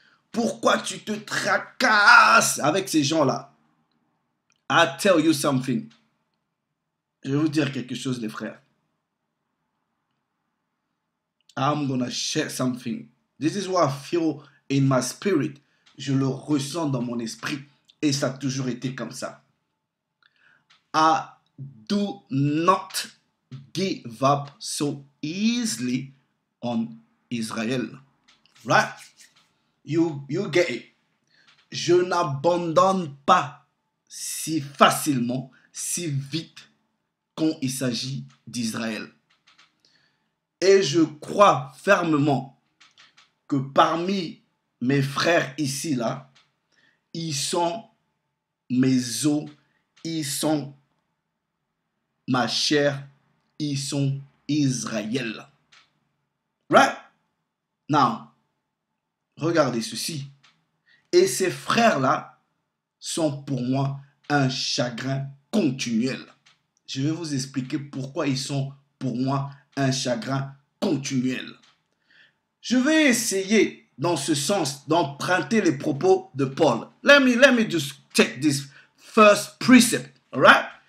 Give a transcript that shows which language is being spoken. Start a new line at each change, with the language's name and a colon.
French: Pourquoi tu te tracasses avec ces gens-là?
English: I tell you something.
French: Je vais vous dire quelque chose, les frères.
English: I'm gonna share something. This is what I feel in my spirit.
French: Je le ressens dans mon esprit et ça a toujours été comme ça.
English: I do not give up so easily on Israel. Right? You get it.
French: Je n'abandonne pas si facilement, si vite quand il s'agit d'Israël. Et je crois fermement que parmi mes frères ici, là, ils sont mes os, ils sont ma chair, ils sont Israël. Right? Now, regardez ceci. Et ces frères-là sont pour moi un chagrin continuel. Je vais vous expliquer pourquoi ils sont pour moi un chagrin continuel. Je vais essayer dans ce sens d'emprunter les propos de Paul.
English: Let me just take this first precept, right?